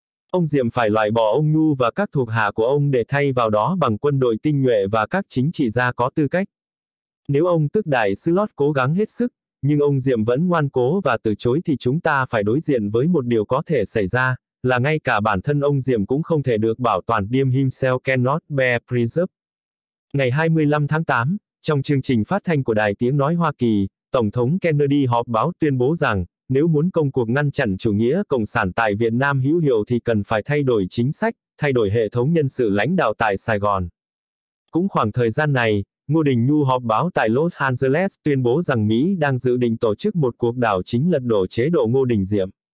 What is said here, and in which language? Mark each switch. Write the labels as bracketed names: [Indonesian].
[Vietnamese] Ông Diệm phải loại bỏ ông Nhu và các thuộc hạ của ông để thay vào đó bằng quân đội tinh nhuệ và các chính trị gia có tư cách. Nếu ông tức đại sứ Lót cố gắng hết sức, nhưng ông Diệm vẫn ngoan cố và từ chối thì chúng ta phải đối diện với một điều có thể xảy ra, là ngay cả bản thân ông Diệm cũng không thể được bảo toàn. [English] Diem himself cannot be preserved. [Vietnamese] Ngày 25 tháng 8, trong chương trình phát thanh của Đài Tiếng Nói Hoa Kỳ, Tổng thống Kennedy họp báo tuyên bố rằng, nếu muốn công cuộc ngăn chặn chủ nghĩa cộng sản tại Việt Nam hữu hiệu thì cần phải thay đổi chính sách, thay đổi hệ thống nhân sự lãnh đạo tại Sài Gòn. Cũng khoảng thời gian này, Ngô Đình Nhu họp báo tại Los Angeles tuyên bố rằng Mỹ đang dự định tổ chức một cuộc đảo chính lật đổ chế độ Ngô Đình Diệm.